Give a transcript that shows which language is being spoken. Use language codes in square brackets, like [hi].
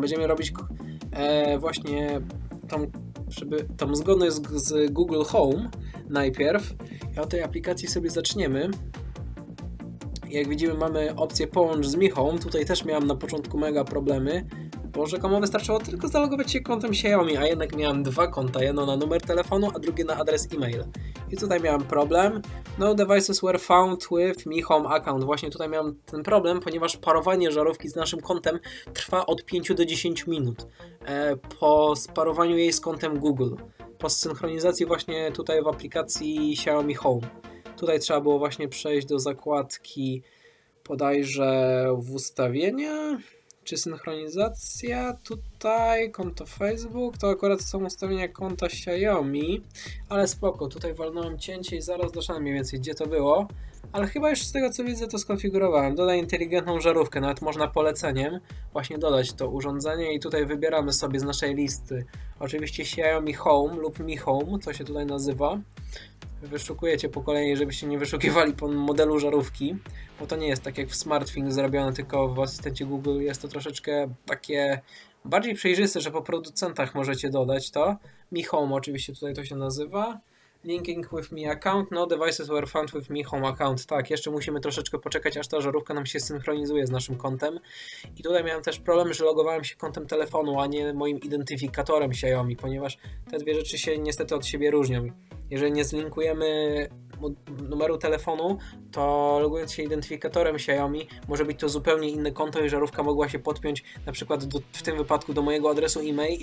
[pl] Będziemy robić właśnie tą zgodność z Google Home najpierw. I o tej aplikacji sobie zaczniemy. Jak widzimy, mamy opcję połącz z Mi Home. Tutaj też miałem na początku mega problemy, bo rzekomo wystarczyło tylko zalogować się kontem Xiaomi, a jednak miałem dwa konta, jedno na numer telefonu, a drugie na adres e-mail. I tutaj miałem problem. [en] No devices were found with Mi Home account. [pl] Właśnie tutaj miałem ten problem, ponieważ parowanie żarówki z naszym kontem trwa od 5 do 10 minut po sparowaniu jej z kontem Google. Po synchronizacji właśnie tutaj w aplikacji Xiaomi Home. Tutaj trzeba było właśnie przejść do zakładki, bodajże w ustawienia, czy synchronizacja, tutaj konto Facebook, to akurat są ustawienia konta Xiaomi, ale spoko, tutaj walnąłem cięcie i zaraz doszedłem mniej więcej gdzie to było, ale chyba już z tego co widzę to skonfigurowałem. Dodaj inteligentną żarówkę, nawet można poleceniem właśnie dodać to urządzenie, i tutaj wybieramy sobie z naszej listy oczywiście Xiaomi Home lub Mi Home, to się tutaj nazywa, wyszukujecie po kolei, żebyście nie wyszukiwali po modelu żarówki, bo to nie jest tak jak w smartphone zrobione, tylko w asystencie Google jest to troszeczkę takie bardziej przejrzyste, że po producentach możecie dodać to. Mi Home oczywiście tutaj to się nazywa. [en] Linking with Mi account, no devices were found with Mi Home account. [pl] Tak, jeszcze musimy troszeczkę poczekać, aż ta żarówka nam się synchronizuje z naszym kontem. I tutaj miałem też problem, że logowałem się kontem telefonu, a nie moim identyfikatorem Xiaomi, ponieważ te dwie rzeczy się niestety od siebie różnią. Jeżeli nie zlinkujemy numeru telefonu, to logując się identyfikatorem Xiaomi, może być to zupełnie inne konto i żarówka mogła się podpiąć na przykład w tym wypadku do mojego adresu e-mail.